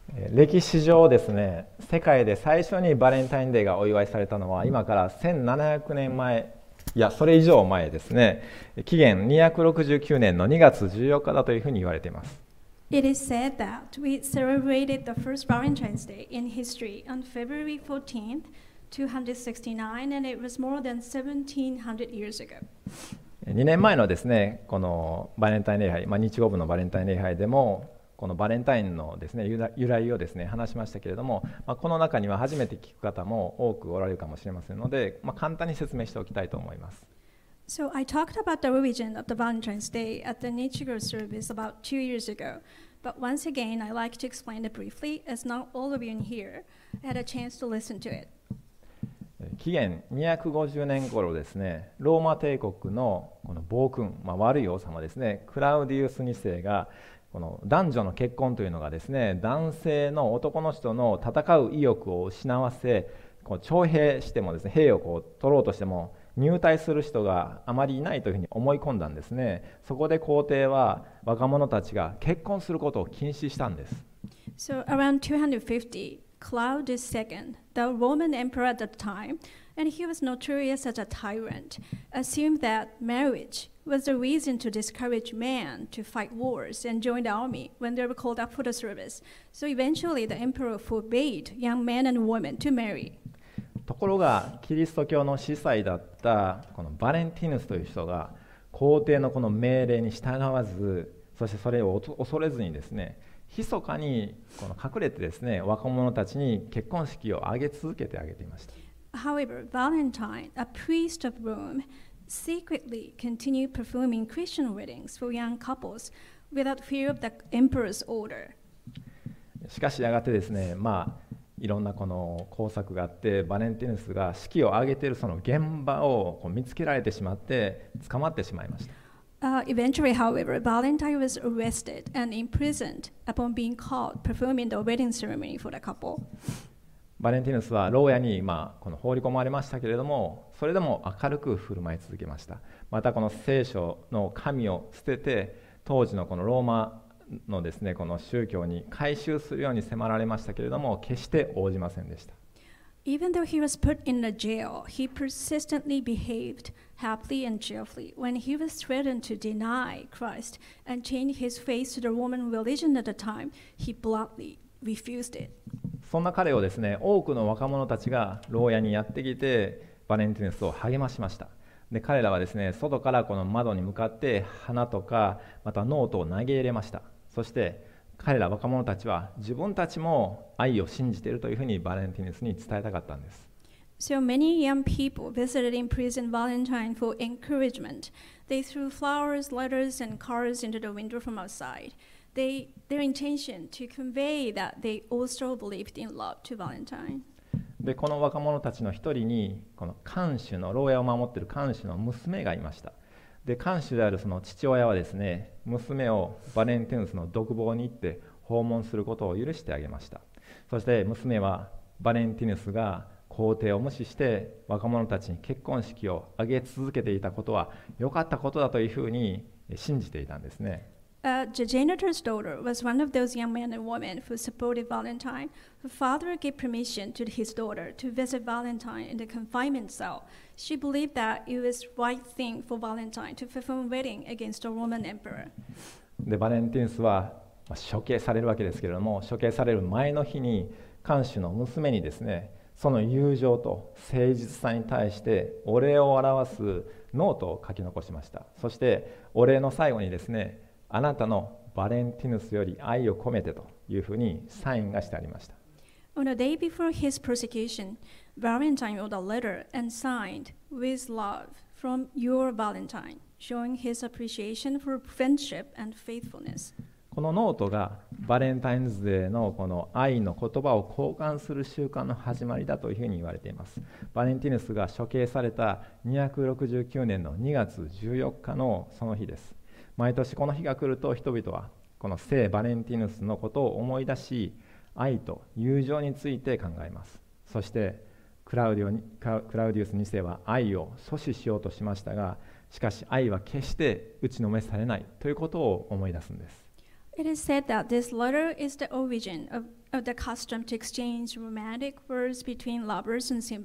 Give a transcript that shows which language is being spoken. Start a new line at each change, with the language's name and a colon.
Japanese: 歴史上ですね、世界で最初にバレンタインデーがお祝いされたのは今から1700年前、いや、それ以上前ですね。紀元269年の2月14日だというふうに言われています。
English: It is said that we celebrated the first Valentine's Day in history on February 14th, 269, and it was more than 1700 years ago.
Japanese: 2年前のですね、このバレンタイン礼拝、日曜日のバレンタイン礼拝でも、このバレンタインのですね、由来をですね、話しましたけれども、この中には初めて聞く方も多くおられるかもしれませんので、簡単に説明しておきたいと思います。
English: So I talked about the origin of the Valentine's Day at the Nichiro service about 2 years ago. But once again, I'd like to explain it briefly, as not all of you in here had a chance to listen to it.
Japanese: 紀元250年頃ですね、ローマ帝国のこの暴君、悪い王様ですね、クラウディウス2世が、この男女の結婚というのがですね、男性の男の人の戦う意欲を失わせ、こう徴兵してもですね、兵をこう取ろうとしても入隊する人があまりいないというふうに思い込んだんですね。そこで皇帝は若者たちが結婚することを禁止したんです。
English: So around 250, Claudius II, the Roman emperor at the time, and he was notorious as a tyrant, assumed that marriage was a reason to discourage men to fight wars and join the army when they were called up for the service. So eventually, the emperor forbade young men and women to marry.
Japanese: ところが、キリスト教の司祭だったこのバレンティヌスという人が皇帝のこの命令に従わず、そしてそれを恐れずにですね、密かにこの隠れてですね、若者たちに結婚式を挙げ続けてあげていました。
English: However, Valentine, a priest of Rome, secretly continued performing Christian weddings for young couples without fear of the emperor's order.
Japanese: しかしやがてですね、いろんなこの工作があって、バレンティヌスが式を挙げているその現場をこう見つけられてしまって、捕まってしまいました。
English: Eventually, however, Valentine was arrested and imprisoned upon being caught performing the wedding ceremony for the couple.
Japanese: バレンティヌスは牢屋にこの放り込まれましたけれども、それでも明るく振る舞い続けました。またこの聖書の紙を捨てて、当時のこのローマのですね、この宗教に改宗するように迫られましたけれども、決して応じませんでした。
English: Even though he was put in the jail, he persistently behaved happily and cheerfully when he was threatened to deny Christ and change his faith to the Roman religion at the time, he bluntly refused it.
Japanese: そんな彼をですね、多くの若者たちが牢屋にやってきて、バレンティヌスを励ましました。で、彼らはですね、外からこの窓に向かって花とか、またノートを投げ入れました。そして彼ら若者たちは自分たちも愛を信じているというふうにバレンティヌスに伝えたかったんです。
English: So many young people visited in prison Valentine for encouragement. They threw flowers, letters, and cards into the window from outside. Their intention to convey that they also believed in love to Valentine.
Japanese: で、この若者たちの一人に、この看守の、牢屋を守っている看守の娘がいました。で、看守であるその父親はですね、娘をバレンティヌスの独房に行って訪問することを許してあげました。そして娘はバレンティヌスが皇帝を無視して若者たちに結婚式を挙げ続けていたことは良かったことだというふうに信じていたんですね。
English: The janitor's daughter was one of those young men and women who supported Valentine. Her father gave permission to his daughter to visit Valentine in the confinement cell. She believed that it was the right thing for Valentine to perform a wedding against the Roman emperor.
Japanese: で、バレンティヌスは処刑されるわけですけれども、処刑される前の日に看守の娘にですね、その友情と誠実さに対してお礼を表すノートを書き残しました。そしてお礼の最後にですね、あなたのバレンティヌスより愛を込めてというふうにサインがしてありました。
English: On a day before his persecution, Valentine wrote a letter and signed "With love from your Valentine," showing his appreciation for friendship and faithfulness.
Japanese: このノートがバレンタインズデーのこの愛の言葉を交換する習慣の始まりだというふうに言われています。バレンティヌスが処刑された269年の2月14日のその日です。毎年この日が来ると、人々はこの聖バレンティヌスのことを思い出し、愛と友情について考えます。そしてクラウディウス2世は愛を阻止しようとしましたが、しかし愛は決して打ちのめされないということを思い出すんです。
English: It is said that this letter is the origin of the custom to exchange romantic words between lovers on St.